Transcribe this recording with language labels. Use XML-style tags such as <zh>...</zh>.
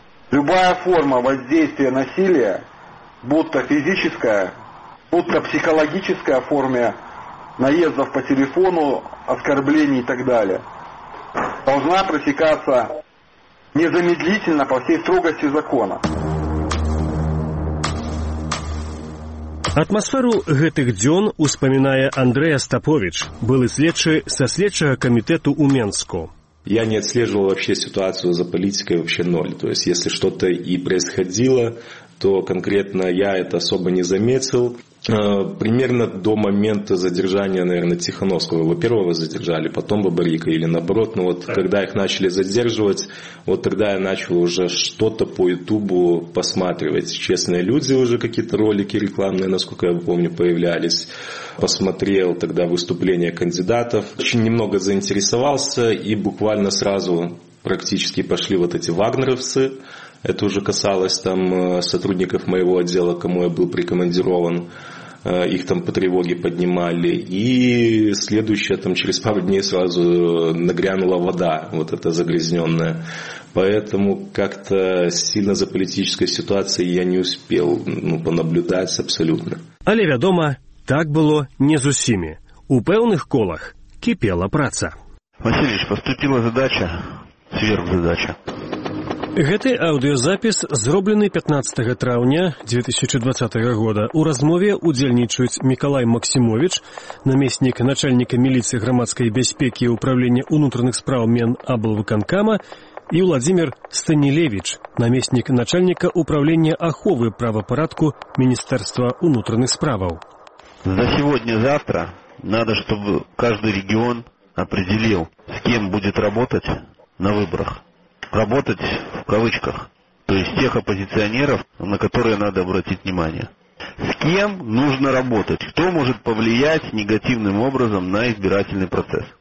<ru>Любая форма воздействия насилия, будто физическая, будто психологическая в форме наездов по телефону, оскорблений и так далее, должна пресекаться незамедлительно по всей строгости закона.</ru> <be>Атмосферу гэтых дзён успамінае Андрэй Астапович, былы следчы са следчага камітэту ў Менску.</be> <ru>Я не отслеживал вообще ситуацию за политикой, вообще ноль. То есть, если что-то и происходило, то конкретно я это особо не заметил. Примерно до момента задержания, наверное, Тихановского. Его первого задержали, потом Бабарика или наоборот. Но вот когда их начали задерживать, вот тогда я начал уже что-то по Ютубу посматривать. Честные люди уже какие-то ролики рекламные, насколько я помню, появлялись. Посмотрел тогда выступления кандидатов. Очень немного заинтересовался и буквально сразу практически пошли вот эти вагнеровцы. Это уже касалось там сотрудников моего отдела, кому я был прикомандирован. Их там по тревоге поднимали. И следующее, там через пару дней сразу нагрянула вода, вот эта загрязненная. Поэтому как-то сильно за политической ситуацией я не успел понаблюдать абсолютно.</ru> <be>Але вядома, так было не з усімі. У пэўных колах кипела праца.</be> <ru>Васильевич, поступила задача, сверхзадача.</ru> <be>Гэты аудыёзапіс, зроблены 15 траўня 2020 года, у размове ўдзельнічаюць Мікалай Максімовіч, намеснік начальніка міліцыі грамадскай бяспекі і ўправлення ўнутраных справ мен аблвыканкама, і Владзімір Станілевіч, намеснік начальніка ўправлення аховы правапарадку Міністэрства ўнутраных справаў.</be> <ru>За сегодня, завтра надо, чтобы каждый регион определил, с кем будет работать на выборах. Работать в кавычках, то есть тех оппозиционеров, на которые надо обратить внимание. С кем нужно работать, кто может повлиять негативным образом на избирательный процесс.</ru>